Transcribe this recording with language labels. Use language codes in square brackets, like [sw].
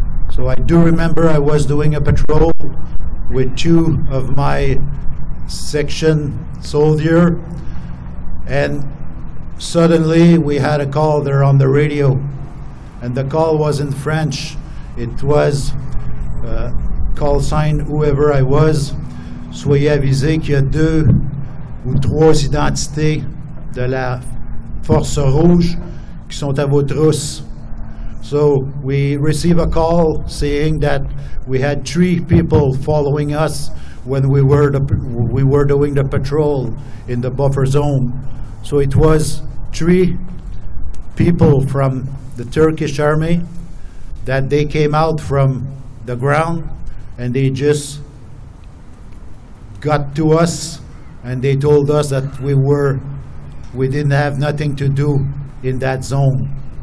[en] So I do remember I was doing a patrol with two of my section soldiers, and suddenly we had a call there on the radio, and the call was in French. It was call sign whoever I was. [fr] Soyez avisé qu'il y a deux ou trois identités de la Force Rouge qui sont à vos trousses. [en] So we received a call saying that we had three people following us when we were doing the patrol in the buffer zone. So it was three people from the Turkish army that they came out from the ground and they just got to us and they told us that we didn't have nothing to do in that zone.